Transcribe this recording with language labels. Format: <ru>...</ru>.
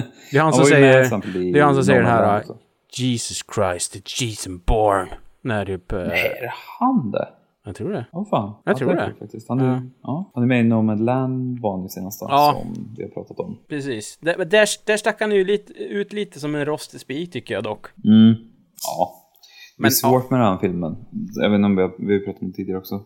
<sv>Det är han som säger det här.</sv> <en>Jesus Christ, it's Jason Bourne.</en> <sv>När typ, nej, är han det? Jag tror det. Åh, fan. Jag tror det. Faktiskt. Han är med i Nomadland vanlig senaste som vi har pratat om. Precis. Där stack han ju ut lite som en rostig spik, tycker jag dock. Mm. Ja. Men, det är svårt med den här filmen. Jag vet inte om vi har pratat om det tidigare också.</sv>